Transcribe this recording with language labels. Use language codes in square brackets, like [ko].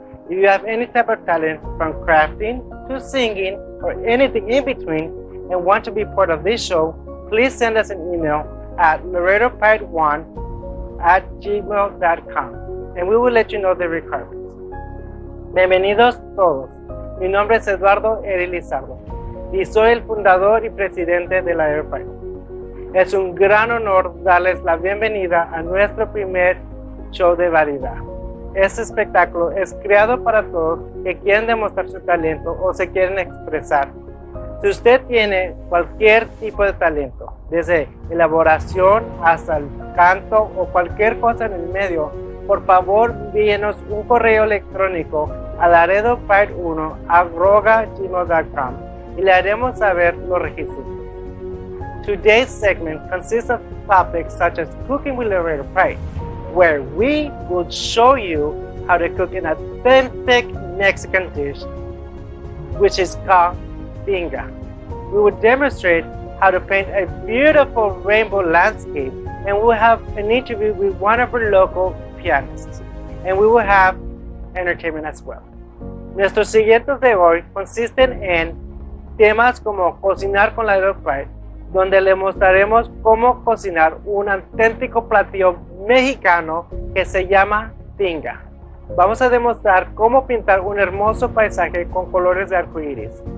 [en] If you have any type of talent, from crafting to singing or anything in between, and want to be part of this show, please send us an email at laredopride1@gmail.com, and we will let you know the requirements. [es] Bienvenidos todos. Mi nombre es Eduardo Erilizardo. Y soy el fundador y presidente de la Laredo Pride. Es un gran honor darles la bienvenida a nuestro primer show de variedad. Este espectáculo es creado para todos que quieren demostrar su talento o se quieren expresar. Si usted tiene cualquier tipo de talento, desde elaboración hasta el canto o cualquier cosa en el medio, por favor envíenos un correo electrónico a laredopride1@gmail.com. Y le haremos saber los requisitos. [en] Today's segment consists of topics such as cooking with Laredo Pride, where we will show you how to cook an authentic Mexican dish, which is called pinga. We will demonstrate how to paint a beautiful rainbow landscape, and we'll have an interview with one of our local pianists, and we will have entertainment as well. [es] Nuestro siguiente de hoy consiste en temas como cocinar con Laredo Pride, donde le mostraremos cómo cocinar un auténtico platillo mexicano que se llama pinga. Vamos a demostrar cómo pintar un hermoso paisaje con colores de arcoíris.